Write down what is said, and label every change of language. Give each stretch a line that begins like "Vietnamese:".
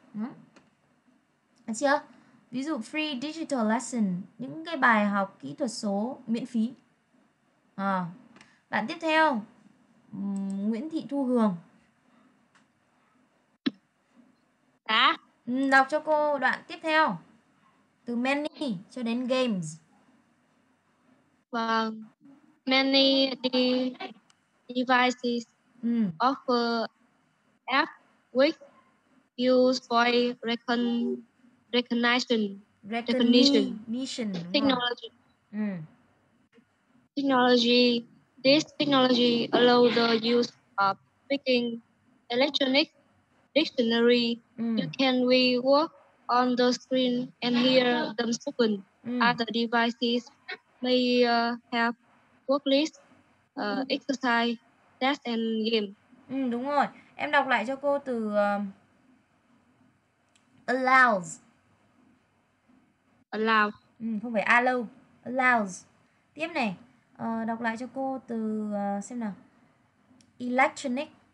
Vietnamese: Đúng chưa? Ví dụ
English: free digital lesson,
Vietnamese: những cái bài học kỹ thuật số miễn phí. Bạn tiếp theo, Nguyễn Thị Thu Hường. Dạ. Đọc cho cô đoạn tiếp theo. từ many cho đến games.
English: Vâng, many devices offer app with use for recognition technology. Technology, this technology allows the use of speaking electronic dictionary. You can work on the screen and hear them spoken. Other devices may have worklist, exercise, test and game.
Vietnamese: Đúng rồi. Em đọc lại cho cô từ allows.
English: Allow.
Vietnamese: Không phải allow. Allows. Tiếp này. Đọc lại cho cô từ xem nào. Electronic.